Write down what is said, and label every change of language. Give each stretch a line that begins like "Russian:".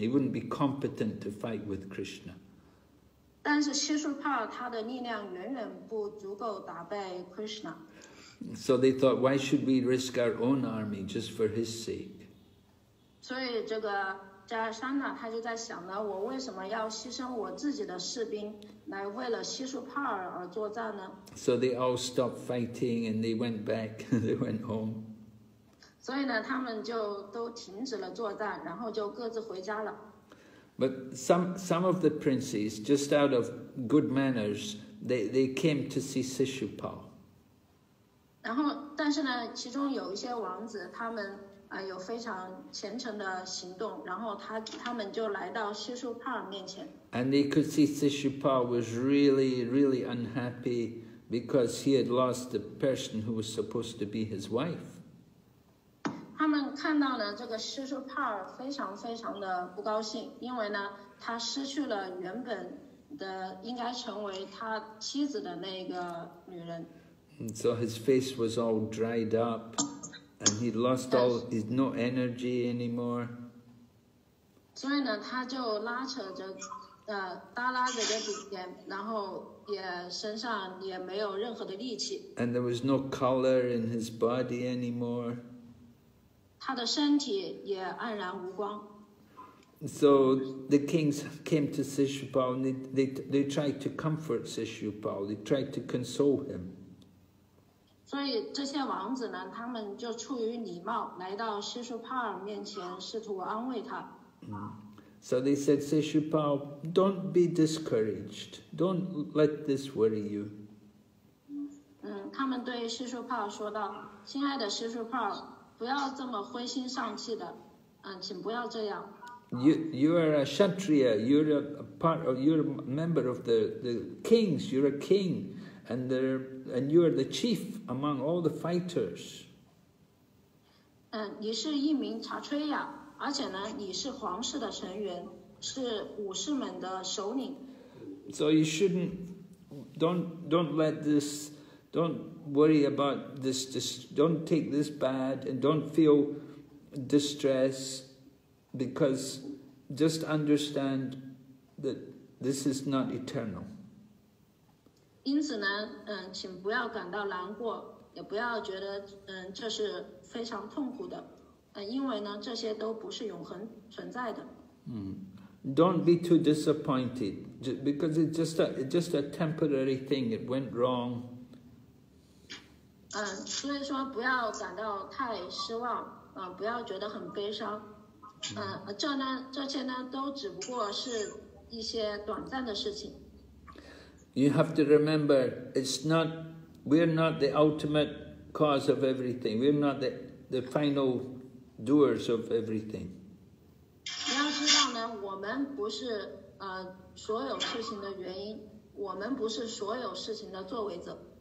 English: He wouldn't be competent to fight with Krishna.
Chinese: 但是西树帕他的力量远远不足够打败 Krishna.
English: So they thought, why should we risk our own army just for his sake?
Chinese: 所以这个加尔山呢，他就在想呢，我为什么要牺牲我自己的士兵？来为了西树帕尔而作战呢
English: ？So they all stopped fighting and they went back. They went home.
Chinese: 所以呢，他们就都停止了作战，然后就各自回家了。
English: But some of the princes, just out of good manners, they came to see Sishupal.
Chinese: 然后，但是呢，其中有一些王子，他们有非常虔诚的行动，然后他们就来到西树帕尔面前。
English: And they could see Sishupal was really, really unhappy because he had lost the person who was supposed to be his wife.
Chinese: 他们看到了这个西树帕尔非常非常的不高兴，因为呢，他失去了原本的应该成为他妻子的那个女人。
English: And so his face was all dried up, and he'd lost all his no energy anymore.
Chinese: 所以呢，他就拉扯着。
English: And there was no color in his body anymore.
Chinese: 他的身体也黯然无光。
English: So the kings came to Shishupal, and they tried to comfort Shishupal. They tried to console him.
Chinese: 所以这些王子呢，他们就出于礼貌来到希树帕尔面前，试图安慰他。
English: So they said, Shishupal, don't be discouraged. Don't let this worry you.
Chinese: 他们对希树帕尔说道，亲爱的希树帕尔，不要这么灰心丧气的，请不要这样。
English: You are a Kshatriya, you're a member of the kings, you're a king, and you are the chief among all the fighters.
Chinese: 你是一名查崔亚，而且呢，你是皇室的成员，是武士们的首领。
English: So you shouldn't, don't take this bad, and don't feel distress, because just understand that this is not eternal.
Chinese: 因此呢，请不要感到难过，也不要觉得这是非常痛苦的。因为呢，这些都不是永恒存在的。
English: Don't be too disappointed, because it's just a temporary thing. It went wrong.
Chinese: 所以说不要感到太失望，不要觉得很悲伤。这些呢都只不过是一些短暂的事情。
English: You have to remember, we're not the ultimate cause of everything. We're not the final doers of everything.
Chinese: 你要知道呢，我们不是所有事情的原因，我们不是所有事情的作为者。